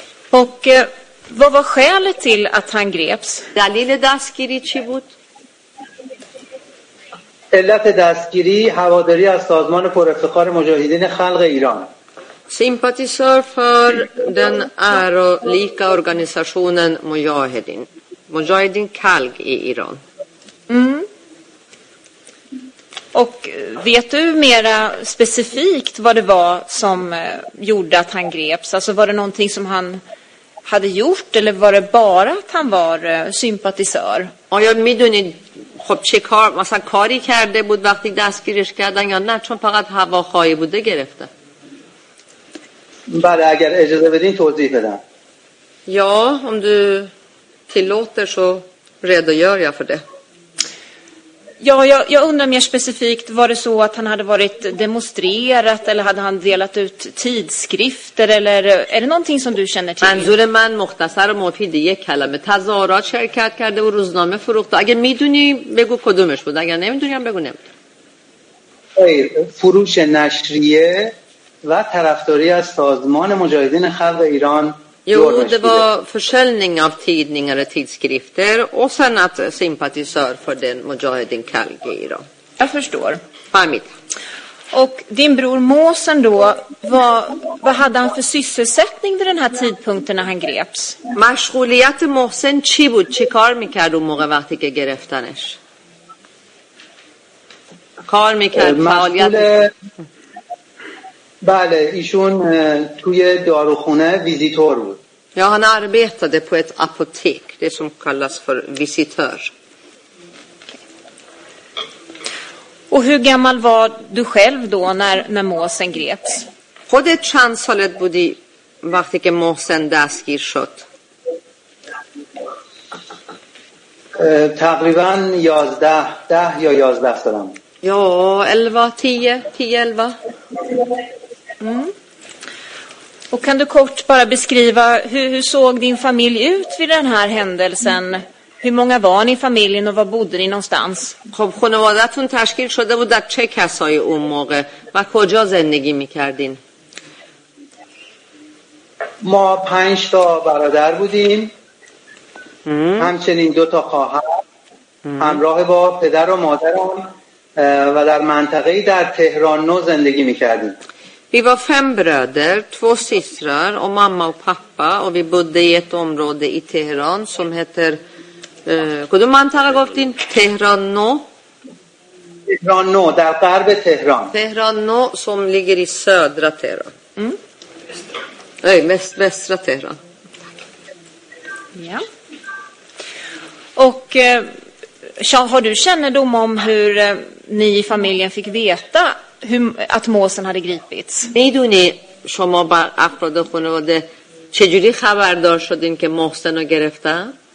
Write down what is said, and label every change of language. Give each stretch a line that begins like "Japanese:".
Swedish: Och vad var skälet till att han greps?
Persian: دلیل دستگیری چی بود؟ علت دستگیری هواداری از سازمان پر افتخار مجاهدین خلق ایران.
Swedish: Sympatisör för den ärolika organisationen Mujahedin. Mujahedin Khalq i Iran. Och vet du mera specifikt vad det var som gjorde att han greps? Alltså var det någonting som han hade gjort eller var det bara att han var sympatisör? Och jag minns
Persian: خب چه کار مثلا کاری کرده بود وقتی دستگیرش کردن یا نه چون فقط هواخواهی بوده گرفته. بله اگر اجازه بدین توضیح بدم.
Swedish: یا om du tillåter så redogör jag för det. Ja, jag undrar mer specifikt, var det så att han hade varit demonstrerat eller hade han delat ut tidskrifter eller är det någonting som du känner till?
Persian: منظور من مختصر و مفید یک کلمه تظاهرات شرکت کرده و روزنامه فروخته. اگه میدونی بگو کدومش بود، اگه نمیدونی هم بگو نمیدونی. خیر، فروش نشریه و طرفداری از سازمان مجاهدین خلق ایران.
Swedish: Jo, det var försäljning av tidningar och tidskrifter och sen att sympatisör för den Mujahedin Khalq i Iran. Jag förstår.
Persian: Farmid.
Swedish: Och din bror Måsen då, vad hade han för sysselsättning vid den här tidpunkten när han greps?
Persian: Mashghuliyat Mohsen chi bud? Chi kar mikard un moghe vaghti ke gereftanesh? Kar mikard faaliyat. بله ایشون توی داروخونه ویزیتور بود.
Swedish: یا هن arbetade på ett apotek, det som kallas för visitör. Och hur gammal var du själv då när Måsen greps?
Persian: خودت چند سالت بودی وقتی که محسن دستگیر شد؟ تقریبا 11 10 یا 11 سالم.
Swedish: یا 11 10 10 11. Och kan du kort bara beskriva hur såg din familj ut vid den här händelsen? Hur många var ni i familjen och var bodde ni någonstans?
Persian: خب خانواده‌تون تشکیل شده بود در چه کسای اون موقع و کجا زندگی می‌کردین؟ ما 5 تا برادر بودیم. همچنین 2 تا خواهر همراه با پدر و مادرم و در منطقه‌ای در تهران نو زندگی می‌کردیم.
Swedish: Vi var 5 bröder, 2 systrar och mamma och pappa och vi bodde i ett område i Teheran som heter Kudum Antaragovtin, Teheran No. Teheran No, där är det Teheran. Teheran No som ligger i södra Teheran. Västra Teheran. Ja. Och har du kännedom om hur ni i familjen fick veta att Måsen hade gripits?
Persian: میدونی شما بر افراد خانواده چجوری خبردار شدین که محسن رو گرفتن؟